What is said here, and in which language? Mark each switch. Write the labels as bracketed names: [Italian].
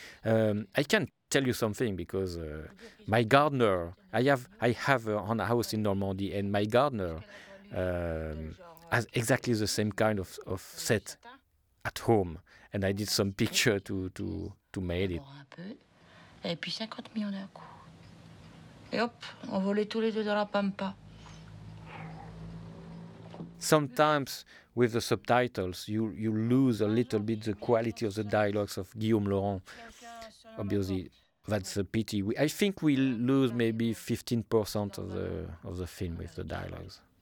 [English] I can tell you something because my gardener, I have a house in Normandy, and my gardener has exactly the same kind of set at home, and I did some picture to make it. [French] Et puis 50 millions d'un coup. Et hop, on volait tous les deux dans la pampa. [English] Sometimes with the subtitles, you lose a little bit the quality of the dialogues of Guillaume Laurent. Obviously, that's a pity. I think we lose maybe 15% of the film with the dialogues.